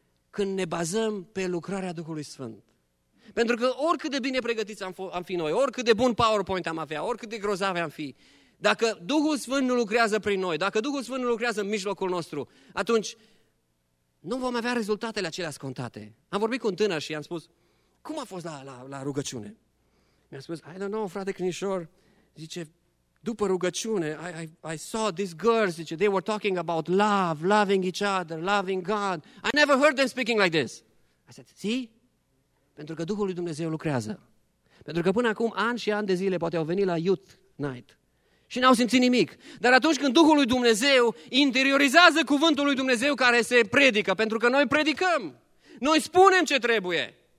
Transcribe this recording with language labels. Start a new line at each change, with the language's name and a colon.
Romanian: Când ne bazăm pe lucrarea Duhului Sfânt. Pentru că oricât de bine pregătiți am fi noi, oricât de bun PowerPoint am avea, oricât de grozave am fi, dacă Duhul Sfânt nu lucrează prin noi, dacă Duhul Sfânt nu lucrează în mijlocul nostru, atunci nu vom avea rezultatele acelea scontate. Am vorbit cu un tânăr și i-am spus, cum a fost la rugăciune? Mi-a spus,
English: I don't know,
Romanian: frate Crinișor, zice, după rugăciune,
English: I saw these girls,
Romanian: zice,
English: they were talking about love, loving each other, loving God. I never heard them speaking like this. I said, see?
Romanian: Pentru că Duhul lui Dumnezeu lucrează. Pentru că până acum, ani și ani de zile, poate au venit la Youth Night și n-au simțit nimic. Dar atunci când Duhul lui Dumnezeu interiorizează cuvântul lui Dumnezeu care se predică, pentru că noi predicăm, noi spunem ce trebuie.